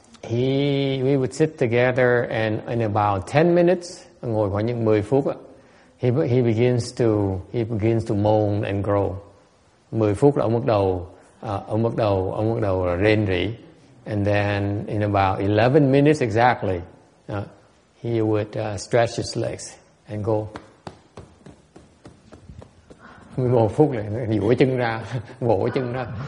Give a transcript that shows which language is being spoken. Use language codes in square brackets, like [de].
[en] We would sit together and in about 10 minutes, [vi] ngồi khoảng những 10 phút, [en] he begins to moan and grow. [vi] 10 phút là ông bắt đầu là rên rỉ. [en] And then in about 11 minutes exactly, he would stretch his legs and go. [vi] 11 phút là duỗi chân ra, gỗ chân ra.